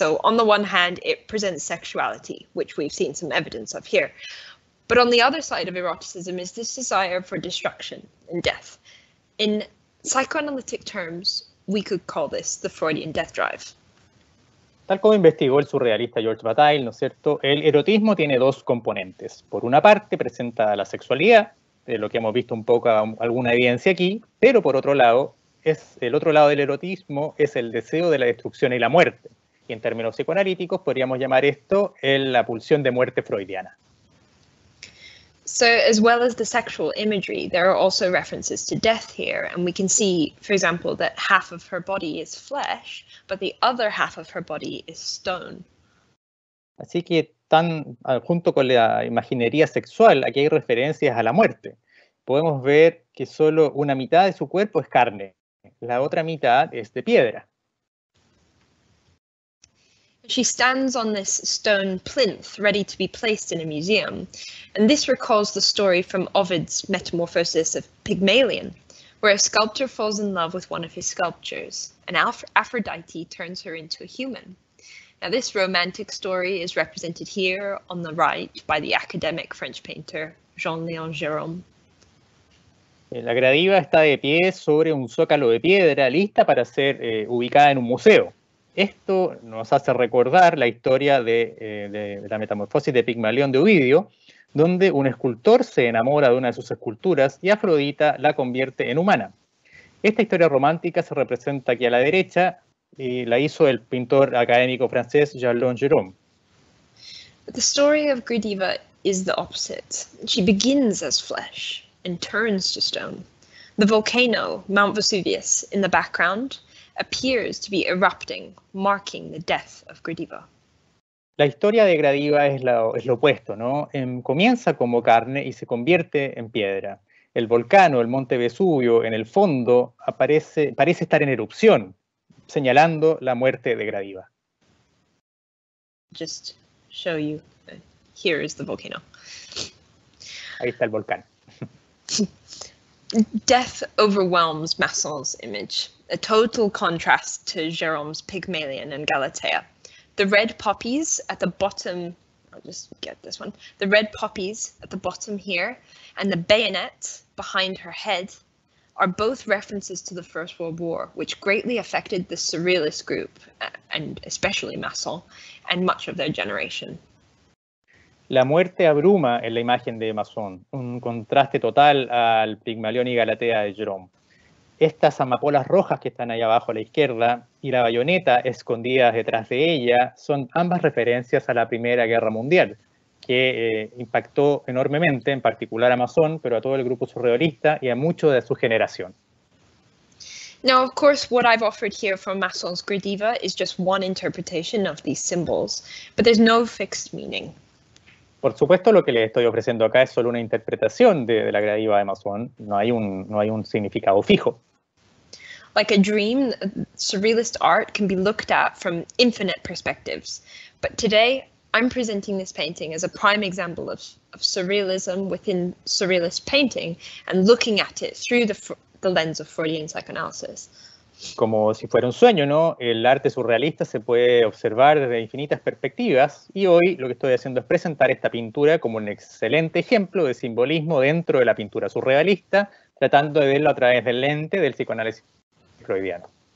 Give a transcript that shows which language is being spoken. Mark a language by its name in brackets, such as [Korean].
[English] So on the one hand, it presents sexuality, which we've seen some evidence of here. But on the other side of eroticism is this desire for destruction and death. In psychoanalytic terms, we could call this the Freudian death drive. [Spanish] Tal como investigó el surrealista Georges Bataille, ¿no es cierto? El erotismo tiene dos componentes. Por una parte, presenta la sexualidad, de lo que hemos visto un poco alguna evidencia aquí, pero por otro lado, es el otro lado del erotismo es el deseo de la destrucción y la muerte. Y en términos psicoanalíticos podríamos llamar esto la pulsión de muerte freudiana. [English] So, as well as the sexual imagery, there are also references to death here, and we can see, for example, that half of her body is flesh, but the other half of her body is stone. [Spanish] Así que junto con la imaginería sexual, aquí hay referencias a la muerte. Podemos ver que solo una mitad de su cuerpo es carne, la otra mitad es de piedra. [English] She stands on this stone plinth, ready to be placed in a museum. And this recalls the story from Ovid's Metamorphosis of Pygmalion, where a sculptor falls in love with one of his sculptures, and Aphrodite turns her into a human. Now, this romantic story is represented here on the right by the academic French painter Jean-Léon Gérôme. [Spanish] La Gradiva está de pie sobre un zócalo de piedra, lista para ser ubicada en un museo. Esto nos hace recordar la historia de la metamorfosis de Pigmalión de Ovidio, donde un escultor se enamora de una de sus esculturas y Afrodita la convierte en humana. Esta historia romántica se representa aquí a la derecha y la hizo el pintor académico francés Jean-Léon Gérôme. [English] The story of Gradiva is the opposite. She begins as flesh and turns to stone. The volcano, Mount Vesuvius, in the background, appears to be erupting, marking the death of Gradiva. [Spanish] La historia de Gradiva es lo opuesto, ¿no? Comienza como carne y se convierte en piedra. El volcán, el Monte Vesubio, en el fondo, parece estar en erupción, señalando la muerte de Gradiva. [English] Just show you, here is the volcano. [Spanish] Ahí está el volcán. [English] Death overwhelms Masson's image, a total contrast to Jerome's Pygmalion and Galatea. The red poppies at the bottom, I'll just get this one, the red poppies at the bottom here and the bayonet behind her head are both references to the First World War, which greatly affected the surrealist group, and especially Masson, and much of their generation. [Spanish] La muerte abruma en la imagen de Masson, un contraste total al Pigmalión y Galatea de Jerome. Estas amapolas rojas que están ahí abajo a la izquierda y la bayoneta escondida detrás de ella son ambas referencias a la Primera Guerra Mundial, que impactó enormemente, en particular a Masson, pero a todo el grupo surrealista y a mucho de su generación. [English] Now, of course, what I've offered here from Masson's Gradiva is just one interpretation of these symbols, but there's no fixed meaning. [Spanish] Por supuesto, lo que les estoy ofreciendo acá es solo una interpretación de la Gradiva de Masson. No hay un significado fijo. [English] Like a dream, surrealist art can be looked at from infinite perspectives. But today, I'm presenting this painting as a prime example of surrealism within surrealist painting and looking at it through the lens of Freudian psychoanalysis. [Spanish] Como si fuera un sueño, ¿no? El arte surrealista se puede observar desde infinitas perspectivas y hoy lo que estoy haciendo es presentar esta pintura como un excelente ejemplo de simbolismo dentro de la pintura surrealista, tratando de verlo a través del lente del psicoanálisis freudiano.